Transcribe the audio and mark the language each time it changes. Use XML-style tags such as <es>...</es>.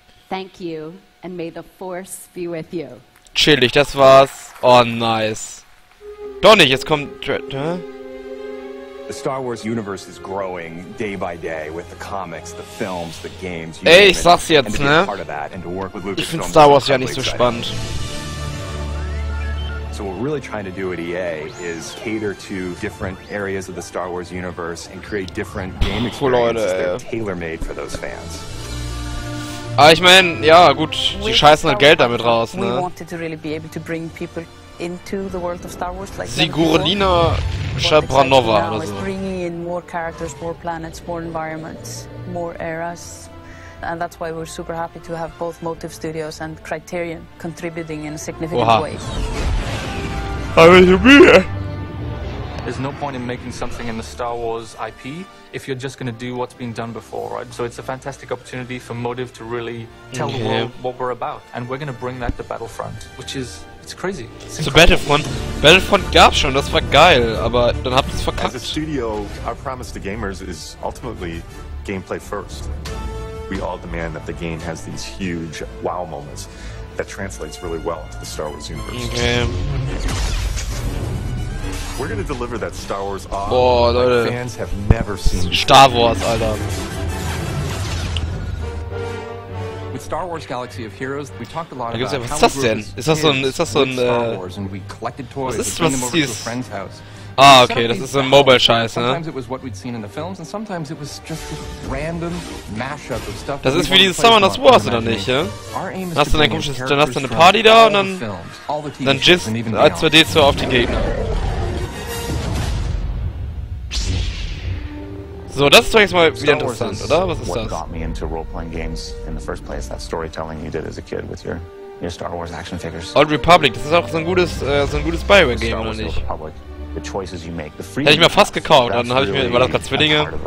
<en>Thank you and may the force be with you.</en> <de>Chillig, das war's. Oh, nice. Doch nicht, jetzt kommt...</de> <en>The Star Wars universe is growing day by day with the comics, the films, the games.</en> <de>Ey, ich sag's jetzt, ne? Ich find Star Wars ja nicht so spannend.</de> <en>So what we're really trying to do at EA is cater to different areas of the Star Wars universe and create different game experiences tailor-made for those fans.</en> <de>Ah, ich meine, ja, gut, sie scheißen halt Geld damit raus, ne?</de> <en>We wanted to really be able to bring people into the world of Star Wars, like</en> <de>Sigurlina Shabranova oder so.</de> <en>Bringing in more characters, more planets, more environments, more eras. And that's why we're super happy to have both Motive Studios and Criterion contributing in a significant way. I will be here. There's no point in making something in the Star Wars IP if you're just going to do what's been done before, right? So it's a fantastic opportunity for Motive to really tell the world what we're about. And we're going to bring that to Battlefront, which is... It's crazy. So Battlefront...</en> <de>Battlefront gab's schon, das war geil, aber dann habt ihr's verkackt.</de> <en>As a studio, our promise to gamers is ultimately gameplay first. We all demand that the game has these huge wow moments that translates really well into the Star Wars universe. Okay. We're gonna deliver that Star Wars awe.</en> <de>Boah, Leute.</de> <en>Fans have never seen</en> <de>Star Wars, Alter.</de> <en>With Star Wars Galaxy of Heroes, we talked a lot about</en> <de>was ist das denn? Ist das so ein</de> <en>Star Wars and we collected toys and bring them over to a friend's house.</en> <de>Ah, okay, das ist so ein Mobile-Scheiß, ne?</de> <en>Sometimes it was what we'd seen in the films, and sometimes it was just a random mashup of stuff.</en> <de>Das ist wie dieses Summer Night Wars, oder nicht, ja? Dann hast du eine Party da und dann jizzt als 2D so auf die Gegner. So, das ist doch jetzt mal wieder interessant, oder? Was ist das?</de> <en>Got me into role-playing games in the first place, that storytelling you did as a kid with your Star Wars action figures.</en> <de>Old Republic, das ist auch so ein gutes Bioware-Game, oder nicht?</de> <en>The choices you make, the freedom.</en> <de>Hätte ich mir fast gekauft, dann habe ich mir, war das gerade Zwillinge.</de>